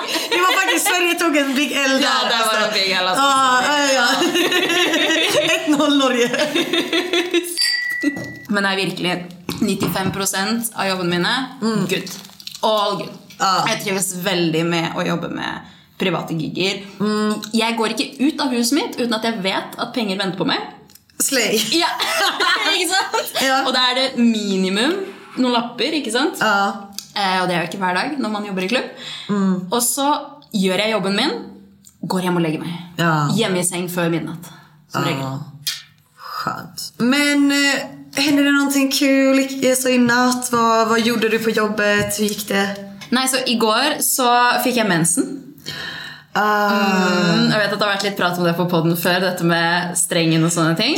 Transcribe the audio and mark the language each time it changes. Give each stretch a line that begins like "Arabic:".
Swedish: Det var faktiskt Sverige tog en
English: big L
Swedish: där. Ja, det var en
English: big L.
Swedish: Ja, ja. 1-0 Norge. Men det är verkligen 95% av jobben mina. Gud.
English: all good.
Norwegian: Jeg trives veldig med å jobbe med private gigger. Jeg går ikke ut av huset mitt uten at jeg vet at penger venter på meg.
English: Slay.
Norwegian: Ja, ikke sant? Ja. Og da det minimum noen lapper, ikke sant? Ja. Og det jo ikke hver dag når man jobber i klubb. Og så gjør jeg jobben min, går hjem og legger meg. Ja. Hjemme i seng før midnatt, som regel. Skjønt. Men...
Swedish: Hender det någonting kul så i natt? Vad gjorde du på jobbet? Hur gick det? Nej, så igår så fick jag mensen. Jag vet att det har varit lite prat om det på podden för detta med strängen och såna ting.